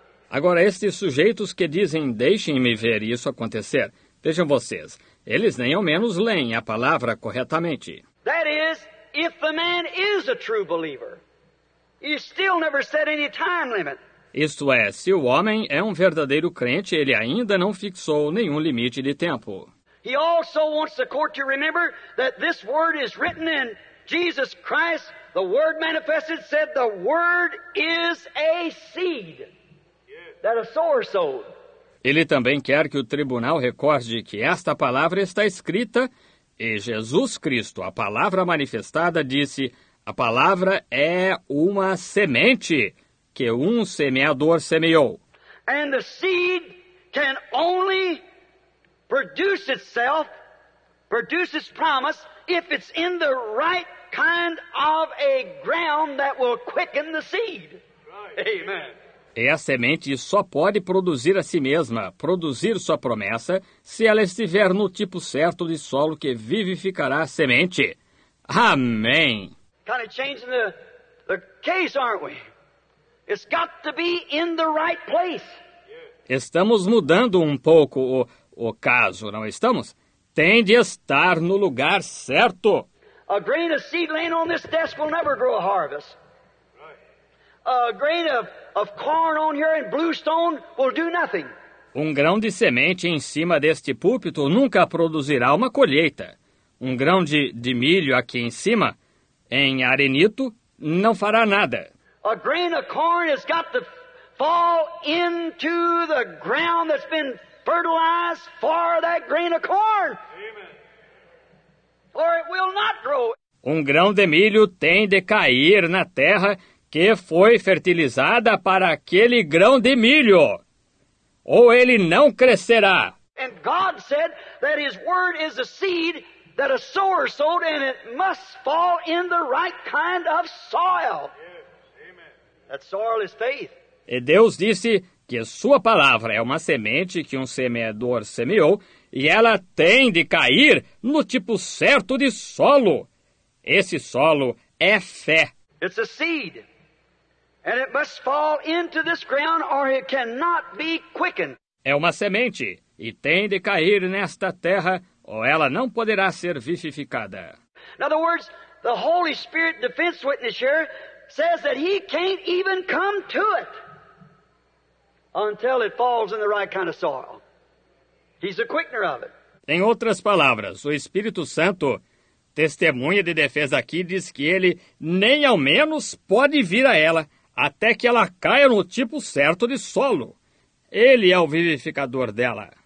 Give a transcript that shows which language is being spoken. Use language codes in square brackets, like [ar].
[pt] Agora, estes sujeitos que dizem, deixem-me ver isso acontecer. Vejam vocês, eles nem ao menos leem a palavra corretamente. [en] That is, if the man is a true believer, he still never set any time limit. [pt] Isto é, se o homem é um verdadeiro crente, ele ainda não fixou nenhum limite de tempo. [en] He also wants the court to remember that this word is written in Jesus Christ, the word manifested, said the word is a seed that a sower sowed. [pt] Ele também quer que o tribunal recorde que esta palavra está escrita e Jesus Cristo, a palavra manifestada, disse, a palavra é uma semente que um semeador semeou. [en] And the seed can only produce itself, produce its promise, if it's in the right kind of a ground that will quicken the seed. Right. Amen. [pt] E a semente só pode produzir a si mesma, produzir sua promessa, se ela estiver no tipo certo de solo que vivificará a semente. Amém. [en] Kind of changing the case, aren't we? It's got to be in the right place. [pt] Estamos mudando um pouco o caso, não estamos? Tem de estar no lugar certo. [en] A grain of seed laying on this desk will never grow a harvest. Right. A grain of corn on here in bluestone will do nothing. [pt] Um grão de semente em cima deste púlpito nunca produzirá uma colheita. Um grão de milho aqui em cima, em arenito, não fará nada. [en] A grain of corn has got to fall into the ground that's been fertilize for that grain of corn. Amen. Or it will not grow. [pt] Um grão de milho tem de cair na terra que foi fertilizada para aquele grão de milho, ou ele não crescerá. [en] And God said that his word is a seed that a sower sowed, and it must fall in the right kind of soil. Yes. Amen. That soil is faith. [pt] E Deus disse que sua palavra é uma semente que um semeador semeou, e ela tem de cair no tipo certo de solo. Esse solo é fé. [en] It's a seed, and it must fall into this ground or it cannot be quickened. [pt] É uma semente, e tem de cair nesta terra, ou ela não poderá ser vivificada. [en] In other words, the Holy Spirit defense witness here says that he can't even come to it until it falls in the right kind of soil. He's a quickener of it. [pt] Em outras palavras, o Espírito Santo, testemunha de defesa aqui, diz que ele nem ao menos pode vir a ela até que ela caia no tipo certo de solo. Ele é o vivificador dela.